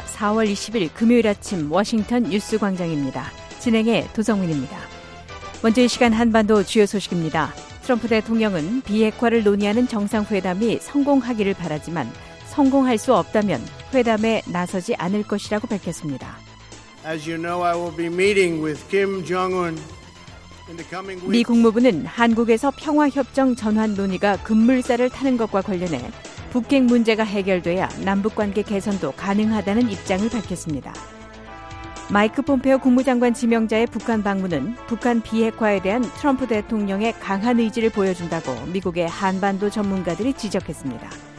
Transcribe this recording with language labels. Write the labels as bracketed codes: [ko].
[ko] 4월 20일 금요일 아침 워싱턴 뉴스 광장입니다. 진행해 도성민입니다. 먼저 이 시간 한반도 주요 소식입니다. 트럼프 대통령은 비핵화를 논의하는 정상회담이 성공하기를 바라지만 성공할 수 없다면 회담에 나서지 않을 것이라고 밝혔습니다. [en] As you know, I will be meeting with Kim Jong-un in the coming weeks. [ko] 미 국무부는 한국에서 평화협정 전환 논의가 급물살을 타는 것과 관련해 북핵 문제가 해결돼야 남북관계 개선도 가능하다는 입장을 밝혔습니다. 마이크 폼페오 국무장관 지명자의 북한 방문은 북한 비핵화에 대한 트럼프 대통령의 강한 의지를 보여준다고 미국의 한반도 전문가들이 지적했습니다.